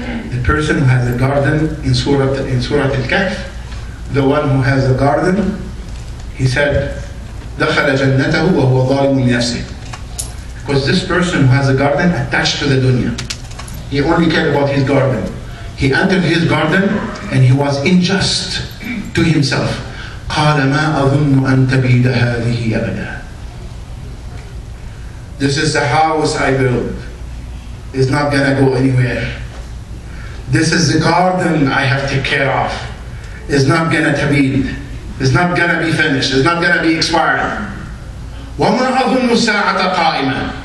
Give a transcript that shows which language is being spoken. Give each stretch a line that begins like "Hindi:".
English: The person who has a garden in Surah Al-Kahf, the one who has a garden, he said,
Arabic: دَخَلَ جَنَّتَهُ وَهُوَ ظَالِمٌ لِنَفْسِهِ.
English: Because this person who has a garden attached to the dunya, he only cared about his garden. He entered his garden and he was unjust to himself.
Arabic: قَالَ مَا أَظُنُّ أَن تَبِيدَ هَذِهِ أَبَدًا.
English: This is the house I built. It's not gonna go anywhere. This is the garden I have to care of. It's not gonna tabid. It's not gonna be finished. It's not gonna be expired.
Arabic: وَمَا أَظُنُّ سَاعَةَ قَائِمًا.